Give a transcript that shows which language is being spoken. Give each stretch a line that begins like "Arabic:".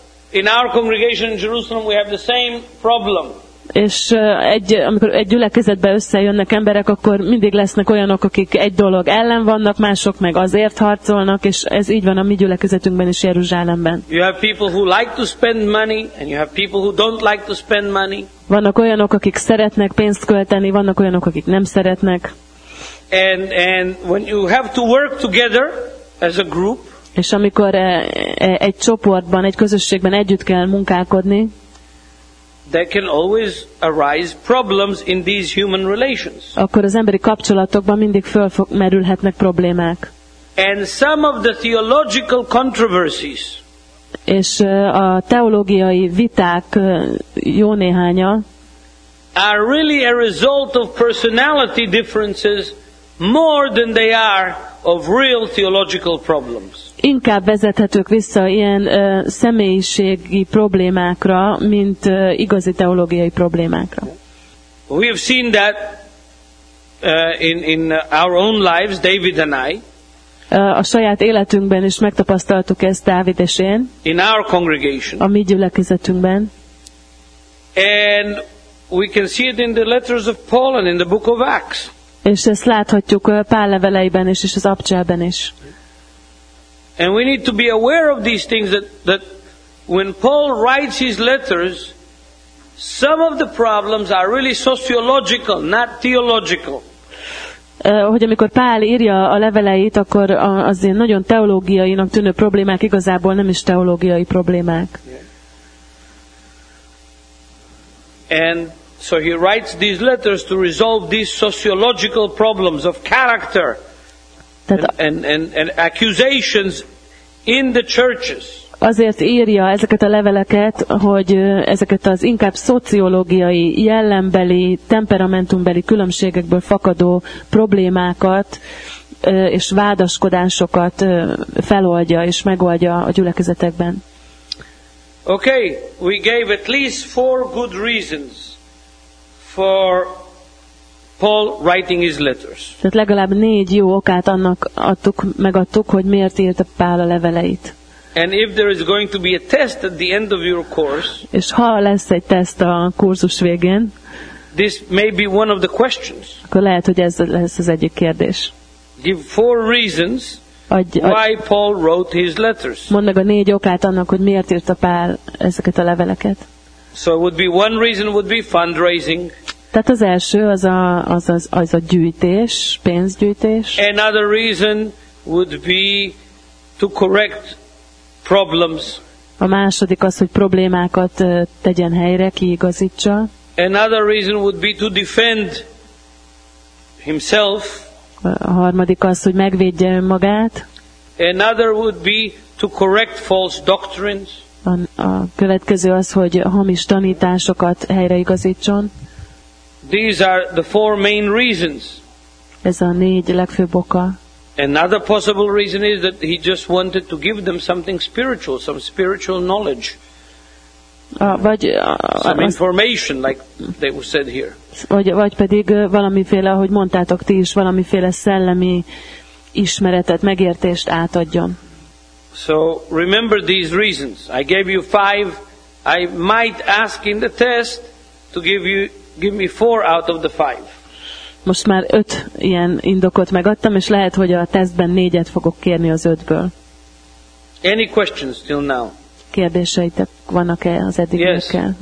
English: In our congregation in Jerusalem, we have the same problem.
Hungarian: És amikor egy gyülekezetbe összejönnek emberek, akkor mindig lesznek olyanok, akik egy dolog ellen vannak, mások meg azért harcolnak, és ez így van a mi gyülekezetünkben is Jeruzsálemben.
English: You have people who like to spend money, and you have people who don't like to spend money.
Hungarian: Vannak olyanok, akik szeretnek pénzt költeni, vannak olyanok, akik nem szeretnek.
English: And when you have to work together as a group,
Hungarian: és amikor egy csoportban, egy közösségben együtt kell munkálkodni,
English: there can always arise problems in these human relations.
Hungarian: Akkor az emberi kapcsolatokban mindig fölmerülhetnek problémák.
English: And some of the theological controversies.
Hungarian: És a teológiai viták jó néhánya.
English: Are really a result of personality differences more than they are of real theological problems.
Hungarian: Inkább vezethetők vissza ilyen személyiségi problémákra, mint igazi teológiai problémákra.
English: We have seen that in our own lives, David and I.
Hungarian: A saját életünkben is megtapasztaltuk ezt, Dávid és én.
English: In our congregation.
Hungarian: A mi gyülekezetünkben.
English: And we can see it in the letters of Paul and in the book of Acts.
Hungarian: És ezt láthatjuk Pál leveleiben is, és az Abcselben is.
English: And we need to be aware of these things that when Paul writes his letters, some of the problems are really sociological, not theological.
Hungarian: Hogy amikor Pál írja a leveleit, akkor az ilyen nagyon teológiainak tűnő problémák igazából nem is teológiai problémák.
English: And so he writes these letters to resolve these sociological problems of character and accusations in the churches.
Hungarian: Azért írja ezeket a leveleket, hogy ezeket az inkább szociológiai, jellembeli, temperamentumbeli különbségekből fakadó problémákat és vádaskodásokat feloldja és megoldja a gyülekezetekben.
English: Okay, we gave at least 4 good reasons for Paul writing his letters.
Hungarian: Tehát legalább 4 jó okát megadtuk, hogy miért írta Pál a leveleit.
English: And if there is going to be a test at the end of your course,
Hungarian: és ha lesz egy teszt a kurzus végén,
English: this may be one of the questions.
Hungarian: Akkor lehet, hogy ez lesz az egyik kérdés.
English: Give 4 reasons why Paul wrote his letters.
Hungarian: Mondd meg a 4 okát annak, hogy miért írta Pál ezeket a leveleket.
English: So it would be one reason would be fundraising.
Hungarian: Tehát az első az a gyűjtés, pénzgyűjtés.
English: Another reason would be to correct problems.
Hungarian: A második az, hogy problémákat tegyen helyre, kiigazítsa.
English: Another reason would be to defend himself.
Hungarian: A harmadik az, hogy megvédje önmagát.
English: Another would be to correct false doctrines.
Hungarian: A következő az, hogy hamis tanításokat helyreigazítson.
English: These are the 4 main reasons.
Hungarian: Ez a 4 legfőbb oka.
English: Another possible reason is that he just wanted to give them something spiritual, some spiritual knowledge. Some information, like they said here.
Hungarian: Vagy pedig valamiféle, ahogy mondtátok ti is, valamiféle szellemi ismeretet, megértést átadjon.
English: So remember these reasons. I gave you 5. I might ask in the test to give me 4 out of the 5.
Hungarian: Most már 5 ilyen indokot megadtam, és lehet, hogy a tesztben 4-et fogok kérni az 5-ből.
English: Any questions till now?
Hungarian: Kérdéseitek vannak-e az eddigiekkel?